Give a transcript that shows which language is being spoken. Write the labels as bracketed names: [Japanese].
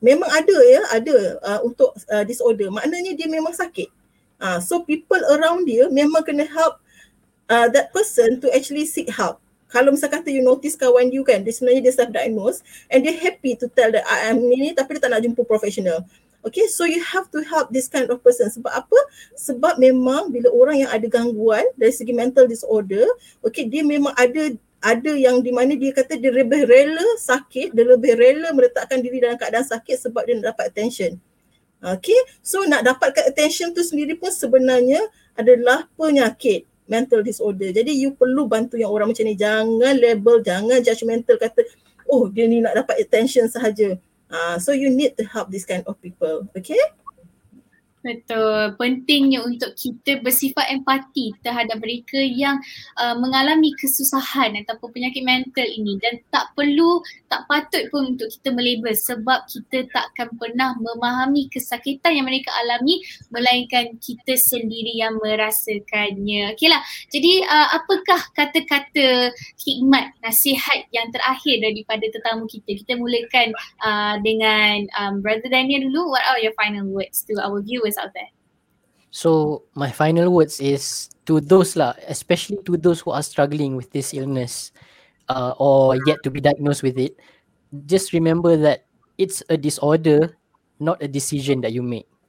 [Malay] Memang ada ya, ada untuk disorder. Maknanya dia memang sakit. [English] So people around [Malay] dia memang kena [English] help that person to actually seek help. [Malay] Kalau misal kata you notice kawan you kan, dia sebenarnya dia self-diagnose and dia [English] happy to tell that I am [Malay] ini, tapi dia tak nak jumpa professional. [English] Okay, so you have to help this kind of person. [Malay] Sebab apa? Sebab memang bila orang yang ada gangguan dari segi mental disorder, okay, dia memang ada yang di mana dia kata dia lebih rela sakit, dia lebih rela meletakkan diri dalam keadaan sakit sebab dia nak dapat attention. Okay, so nak dapatkan attention tu sendiri pun sebenarnya adalah penyakit, mental disorder. Jadi you perlu bantu yang orang macam ni. Jangan label, jangan judgmental kata, oh dia ni nak dapat attention sahaja. [English] So you need to help this kind of people, okay? [Malay] Betul, pentingnya untuk kita bersifat empati terhadap mereka yang mengalami kesusahan ataupun penyakit mental ini, dan tak perlu, tak patut pun untuk kita melabel sebab kita takkan pernah memahami kesakitan yang mereka alami melainkan kita sendiri yang merasakannya. Okeylah, jadi apakah kata-kata hikmat, nasihat yang terakhir daripada tetamu kita? Kita mulakan dengan Brother Daniel dulu. [English] What are your final words to our viewers out there? So my final words is to those lah, especially to those who are struggling with this illness or yet to be diagnosed with it, just remember that it's a disorder, not a decision that you make.